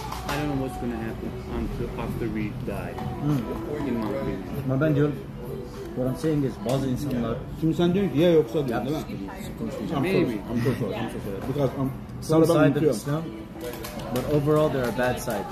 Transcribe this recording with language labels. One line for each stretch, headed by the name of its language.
English: I don't know what's gonna happen until after we die. In my opinion.
Turkish: Ama ben diyorum.
English: What I'm saying is,
Turkish: bazı insanlar... Şimdi sen diyorsun ki, ya yoksa diyorsun, değil mi?
English: I'm sure. Some side of Islam, but overall there are bad sides.